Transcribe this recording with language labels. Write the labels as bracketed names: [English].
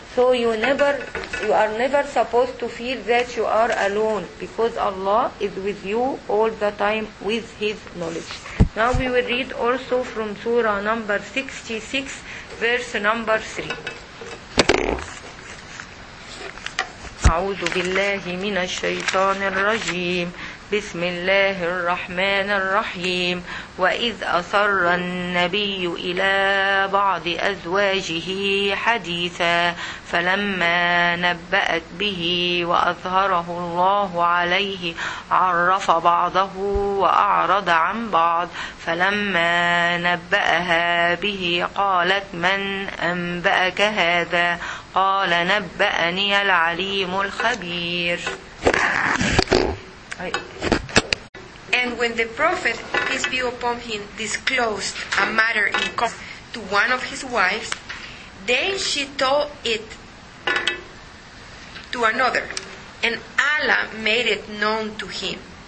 [English] So you are never supposed to feel that you are alone, because Allah is with you all the time with His knowledge. Now we will read also from Surah number 66, verse number 3. [Arabic] أعوذ بالله من الشيطان الرجيم. بسم الله الرحمن الرحيم. وإذ أصر النبي إلى بعض أزواجه حديثا فلما نبأت به وأظهره الله عليه عرف بعضه وأعرض عن بعض فلما نبأها به قالت من أنبأك هذا قال نبأني العليم الخبير. [English] And when the Prophet, peace be upon him, disclosed a matter in common to one of his wives, then she told it to another, and Allah made it known to him.